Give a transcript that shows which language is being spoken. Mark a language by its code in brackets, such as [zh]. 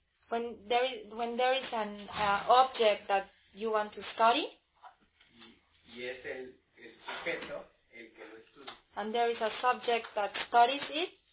[en] When there is an object that you want to study. [es] Y es el sujeto el que lo estudia. [en] And there is a subject that studies it.